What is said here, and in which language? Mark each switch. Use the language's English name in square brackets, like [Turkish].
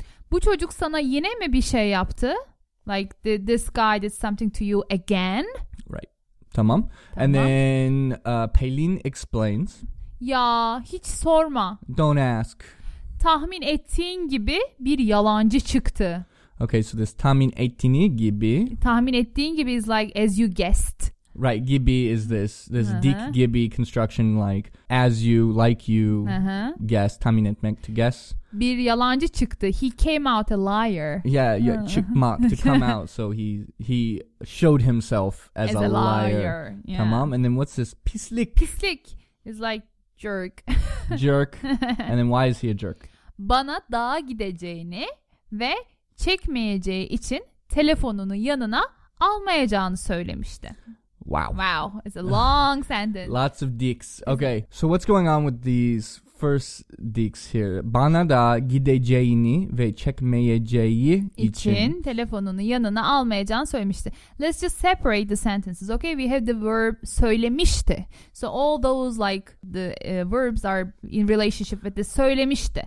[Turkish] Bu çocuk sana yine mi bir şey yaptı? [English] Like, this guy did something to you again? Right. Tamam. And then Pelin explains. [Turkish] Ya, hiç sorma. [English] Don't ask. [Turkish] Tahmin ettiğin gibi bir yalancı çıktı. [English] Okay, so this tahmin ettiğini gibi. Tahmin ettiğin gibi is like, as you guessed. Right, gibi is this dik gibi construction, like as you, like you, guess, tahmin etmek, to guess. Bir yalancı çıktı. He came out a liar. Yeah, çıkmak, to come out. So he showed himself as a liar. Yeah. Tamam. And then what's this? Pislik. Pislik is like jerk. Jerk. And then why is he a jerk? [Turkish] Bana dağa gideceğini ve çekmeyeceği için telefonunu yanına almayacağını söylemişti. [English] Wow, it's a long sentence. Lots of diks. Okay, so what's going on with these first diks here? [Turkish] Bana da gideceğini ve çekmeyeceği için [English] telefonunu yanına almayacağını söylemişti. Let's just separate the sentences, okay? We have the verb söylemişti. So all those, like, the verbs are in relationship with the söylemişti.